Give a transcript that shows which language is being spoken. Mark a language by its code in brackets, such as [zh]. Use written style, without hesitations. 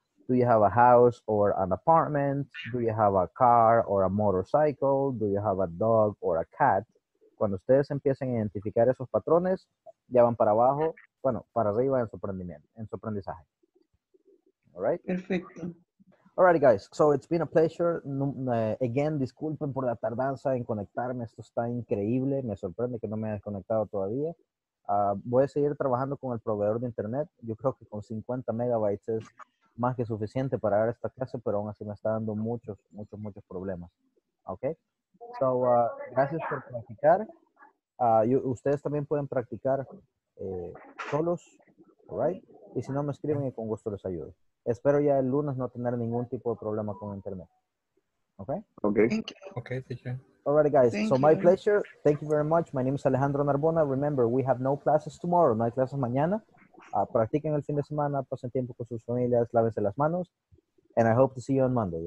[en] Do you have a house or an apartment? Do you have a car or a motorcycle? Do you have a dog or a cat? [es] Cuando ustedes empiecen a identificar esos patrones, ya van para abajo, bueno, para arriba en su aprendizaje. [en] All right? [es] Perfecto. [en] Alrighty, guys. So it's been a pleasure. Again, [es] disculpen por la tardanza en conectarme. Esto está increíble. Me sorprende que no me haya conectado todavía. Voy a seguir trabajando con el proveedor de internet. Yo creo que con 50 megabytes es más que suficiente para dar esta clase, pero aún así me está dando muchos, muchos, muchos problemas. Okay. So, gracias por practicar. Ustedes también pueden practicar solos. Alright. Y si no, me escriben y con gusto les ayudo. Espero ya el lunes no tener ningún tipo de problema con internet. [en] Okay? Okay. Okay, teacher. All right, guys. My pleasure. Thank you very much. My name is Alejandro Narbona. Remember, we have no classes tomorrow. [es] No hay clases mañana. Practiquen el fin de semana. Pasen tiempo con sus familias. Lávense las manos. [en] And I hope to see you on Monday.